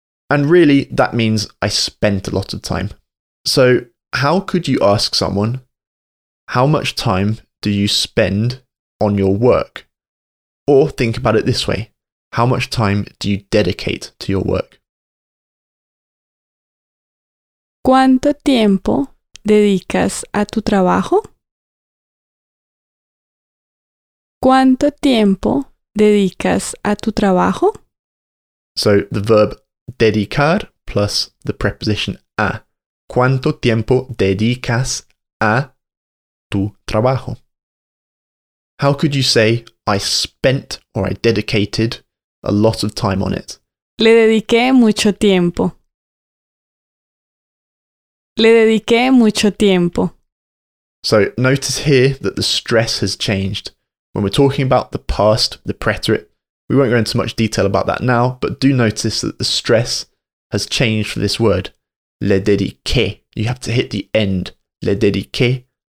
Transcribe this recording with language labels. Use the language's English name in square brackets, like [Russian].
[English] And really, that means I spent a lot of time. So, how could you ask someone, how much time do you spend on your work? Or think about it this way, how much time do you dedicate to your work? [Spanish] ¿Cuánto tiempo dedicas a tu trabajo? ¿Cuánto tiempo dedicas a tu trabajo? [English] So, the verb dedicar plus the preposition a. [Spanish] ¿Cuánto tiempo dedicas a tu trabajo? [English] How could you say, I spent or I dedicated a lot of time on it? [Spanish] Le dediqué mucho tiempo. Le dediqué mucho tiempo. [English] So, notice here that the stress has changed. When we're talking about the past, the preterite, we won't go into much detail about that now, but do notice that the stress has changed for this word. Le dediqué. You have to hit the end. Le dediqué.